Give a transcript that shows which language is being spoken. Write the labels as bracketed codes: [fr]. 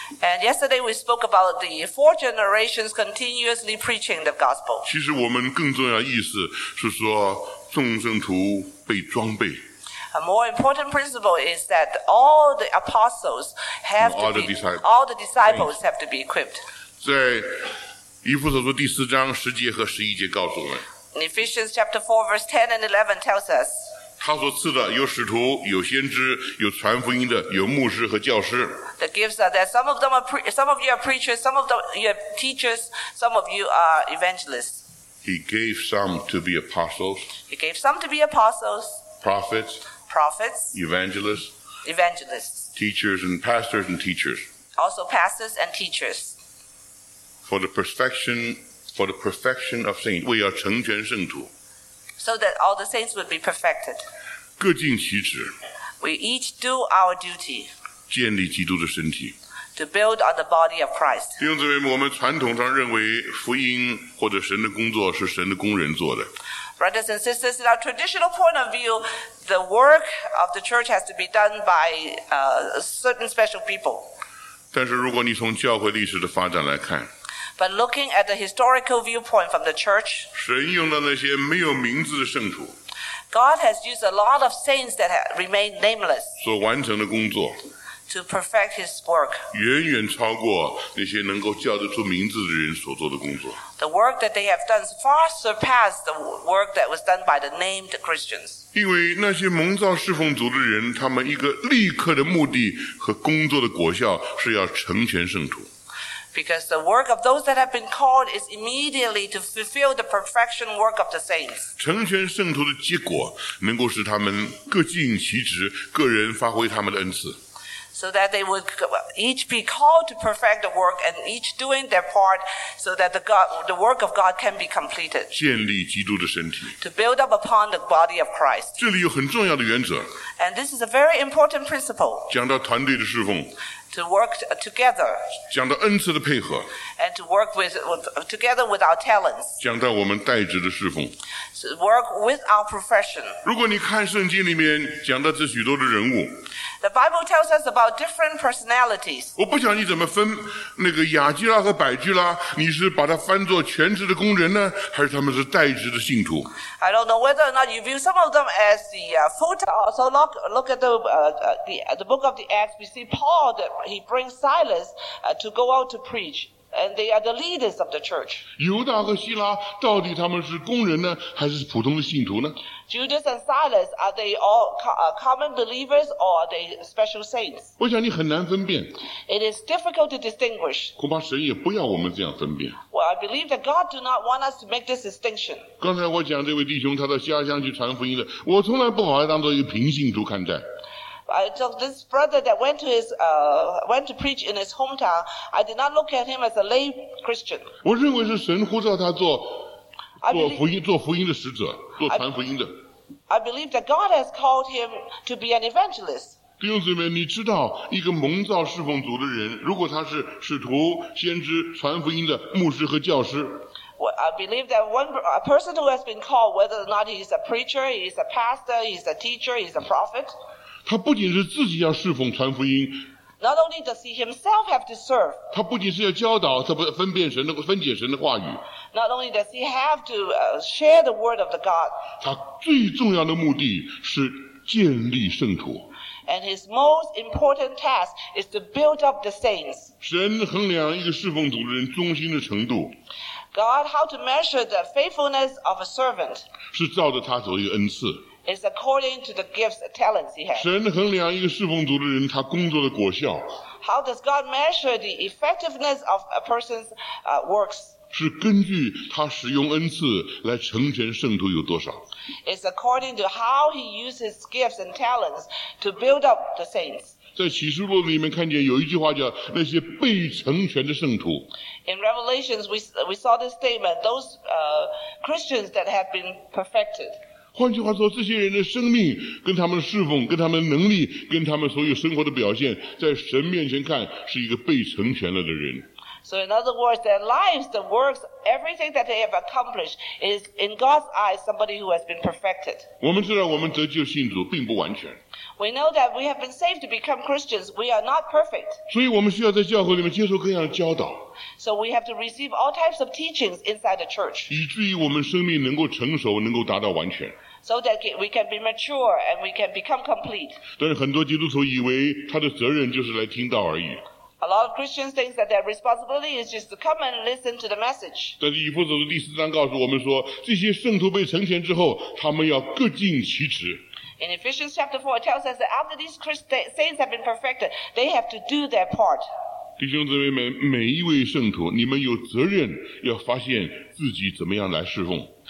[en] And yesterday we spoke about the four generations continuously preaching the gospel. [zh] 其实我们更重要的意思是说众圣徒被装备。 [en] A more important principle is that all the apostles have to be, all the disciples have to be equipped. [zh] 在以弗所书第四章十节和十一节告诉我们。 [en] In Ephesians chapter 4 verse 10 and 11 tells us. [zh] 他所赐的有使徒，有先知，有传福音的，有牧师和教师。 [en] The gifts are that some of them are some of you are preachers, some of them you are teachers, some of you are evangelists. He gave some to be apostles. He gave some to be apostles. Prophets. Prophets. Evangelists. Evangelists. Teachers and pastors and teachers. Also pastors and teachers. For the perfection of saints, [zh] 为要成全圣徒。 [en] So that all the saints would be perfected. [zh] 各尽其职。 [en] We each do our duty. [zh] 建立基督的身体。 [en] To build on the body of Christ. [zh] 弟兄姊妹，我们传统上认为福音或者神的工作是神的工人做的。 [en] Brothers and sisters, in our traditional point of view, the work of the church has to be done by certain special people. [zh] 但是如果你从教会历史的发展来看， [en] But looking at the historical viewpoint from the church, [zh] 神用的那些没有名字的圣徒， [en] God has used a lot of saints that have remained nameless [zh] 所完成的工作， [en] to perfect his work. [zh] 远远超过那些能够叫得出名字的人所做的工作。 [en] The work that they have done far surpassed the work that was done by the named Christians. [zh] 因为那些蒙召侍奉主的人，他们一个立刻的目的和工作的果效是要成全圣徒。 [en] Because the work of those that have been called is immediately to fulfill the perfection work of the saints. [zh] 成全圣徒的结果能够使他们各尽其职，个人发挥他们的恩赐。 [en] So that they would each be called to perfect the work and each doing their part so that the work of God can be completed. [zh] 建立基督的身体。 [en] To build up upon the body of Christ. [zh] 这里有很重要的原则。 [en] And this is a very important principle. [zh] 讲到团队的侍奉。 [en] To work together. [zh] 讲到恩赐的配合。 [en] And to work together with our talents. [zh] 讲到我们代职的侍奉。 [en] To work with our profession. [zh] 如果你看圣经里面讲到这许多的人物。 [en] The Bible tells us about different personalities. [zh] 我不想你怎么分那个亚基拉和百基拉，你是把它翻作全职的工人呢，还是他们是代职的信徒？ [en] I don't know whether or not you view some of them as the full-time. So look at the book of the Acts. We see Paul, that he brings Silas to go out to preach. And they are the leaders of the church. [zh] 犹大和希拉到底他们是工人呢，还是普通的信徒呢？ [en] Judas and Silas, are they all common believers or are they special saints? [zh] 我想你很难分辨。 [en] It is difficult to distinguish. [zh] 恐怕神也不要我们这样分辨。 [en] Well, I believe that God do not want us to make this distinction. [zh] 刚才我讲这位弟兄他到家乡去传福音了，我从来不把他当作一个平信徒看待。 [en] I took this brother that went to his went to preach in his hometown. I did not look at him as a lay Christian. [zh] 我认为是神呼召他做福音的使者，做传福音的。 [en] I believe that God has called him to be an evangelist. [zh] 弟兄姊妹，你知道一个蒙召侍奉主的人，如果他是使徒、先知、传福音的、牧师和教师。 [en] Well, I believe that a person who has been called, whether or not he is a preacher, he is a pastor, he is a teacher, he is a prophet. [zh] 他不仅是自己要侍奉传福音， [en] Not only does he himself have to serve. [zh] 他不仅是要教导，他不分辨神的，分解神的话语。 [en] Not only does he have to share the word of the God. [zh] 他最重要的目的是建立圣徒。 [en] And his most important task is to build up the saints. [zh] 神衡量一个侍奉主的人忠心的程度。 [en] God, how to measure the faithfulness of a servant? [zh] 是照着他所有恩赐。 [en] It's according to the gifts and talents he has. [zh] 神衡量一个侍奉主的人他工作的果效。 [en] How does God measure the effectiveness of a person's works? [zh] 是根据他使用恩赐来成全圣徒有多少。 [en] It's according to how he uses gifts and talents to build up the saints. [zh] 在启示录里面看见有一句话叫那些被成全的圣徒。 [en] In Revelations, we saw this statement, those Christians that have been perfected. [zh] 换句话说，这些人的生命跟他们侍奉，跟他们能力，跟他们所有生活的表现，在神面前看是一个被成全了的人。 [en] So in other words, their lives, the works, everything that they have accomplished is in God's eyes somebody who has been perfected. [zh] 我们知道我们得救信主并不完全。 [en] We know that we have been saved to become Christians. We are not perfect. [zh] 所以我们需要在教会里面接受各样的教导。 [en] So we have to receive all types of teachings inside the church. [zh] 以至于我们生命能够成熟，能够达到完全。 [en] So that we can be mature and we can become complete. [zh] 但是很多基督徒以为他的责任就是来听道而已。 [en] A lot of Christians think that their responsibility is just to come and listen to the message. [zh] 但是以弗所书第四章告诉我们说，这些圣徒被成全之后，他们要各尽其职。 [en] In Ephesians chapter 4, it tells us that after these saints have been perfected, they have to do their part. [zh] 弟兄姊妹们，每一位圣徒，你们有责任要发现自己怎么样来侍奉。